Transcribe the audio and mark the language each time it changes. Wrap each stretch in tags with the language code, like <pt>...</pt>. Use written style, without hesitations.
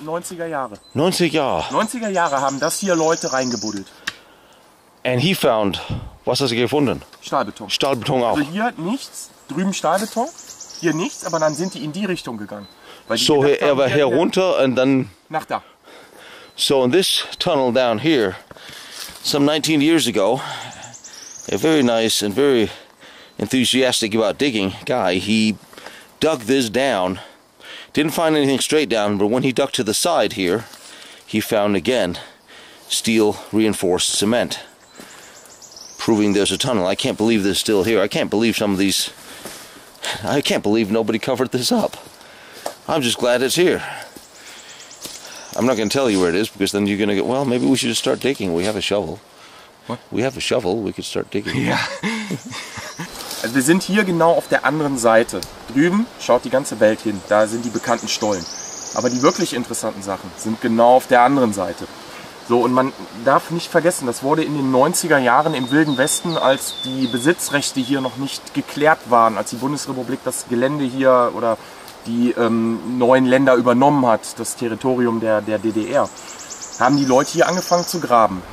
<de>90er Jahre haben das hier Leute reingebuddelt.</de> <en>And he found,</en> <de>was hat er gefunden? Stahlbeton. Stahlbeton auch. Also hier nichts, drüben Stahlbeton, hier nichts, aber dann sind die in die Richtung gegangen. Weil die so, er war herunter und dann... Nach da.</de> <en>So in this tunnel down here, some 19 years ago, a very nice and very enthusiastic about digging guy, he dug this down. Didn't find anything straight down, but when he dug to the side here, he found again steel reinforced cement, proving there's a tunnel. I can't believe this is still here. I can't believe some of these. I can't believe nobody covered this up. I'm just glad it's here. I'm not going to tell you where it is, because then you're going to get, well, maybe we should just start digging. We have a shovel. What? We have a shovel. We could start digging. Yeah.</en> <de>Wir sind hier genau auf der anderen Seite. Drüben schaut die ganze Welt hin. Da sind die bekannten Stollen. Aber die wirklich interessanten Sachen sind genau auf der anderen Seite. So, und man darf nicht vergessen, das wurde in den 90er Jahren im Wilden Westen, als die Besitzrechte hier noch nicht geklärt waren, als die Bundesrepublik das Gelände hier oder die neuen Länder übernommen hat, das Territorium der DDR, haben die Leute hier angefangen zu graben.</de>